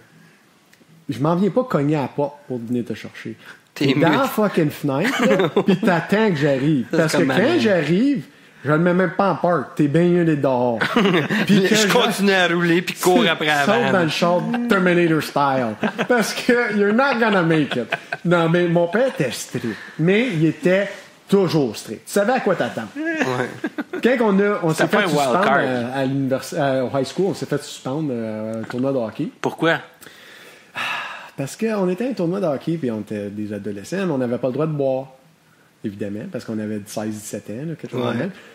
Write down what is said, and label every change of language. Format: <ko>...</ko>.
<fr>Là. Je m'en viens pas cogner à la porte pour venir te chercher. T'es dans la fucking fenêtre, pis t'attends que j'arrive. Parce que quand j'arrive, je le mets même pas en park. T'es bien une dehors. Pis je continue à rouler pis cours après avant. Saute dans le char Terminator style. Parce que</fr> <en>you're not gonna make it.</en> <fr>Non, mais mon père était strict. Mais il était toujours strict. Tu savais à quoi t'attends. Ouais. Quand on s'est fait suspendre à l'université, au high school, on s'est fait suspendre un tournoi de hockey. Pourquoi? Parce qu'on était à un tournoi de hockey, puis on était des adolescents, mais on n'avait pas le droit de boire, évidemment, parce qu'on avait 16-17 ans, là, quelque chose comme ça.</fr>